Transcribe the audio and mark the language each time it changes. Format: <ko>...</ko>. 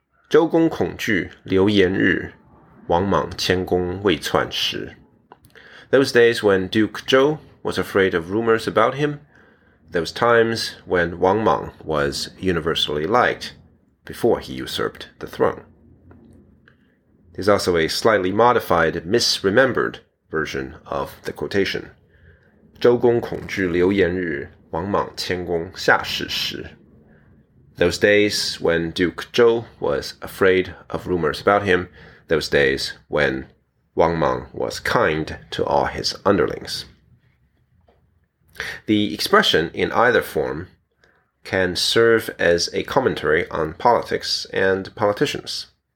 <zh>周公恐惧流言日，王莽谦恭未篡时。</zh> <en>Those days when Duke Zhou was afraid of rumors about him, those times when Wang Mang was universally liked before he usurped the throne. There's also a slightly modified, misremembered version of the quotation.</en> <zh>周公恐惧流言日，王莽谦恭下士时。</zh> <en>Those days when Duke Zhou was afraid of rumors about him, those days when Wang Mang was kind to all his underlings. The expression in either form can serve as a commentary on politics and politicians.</en>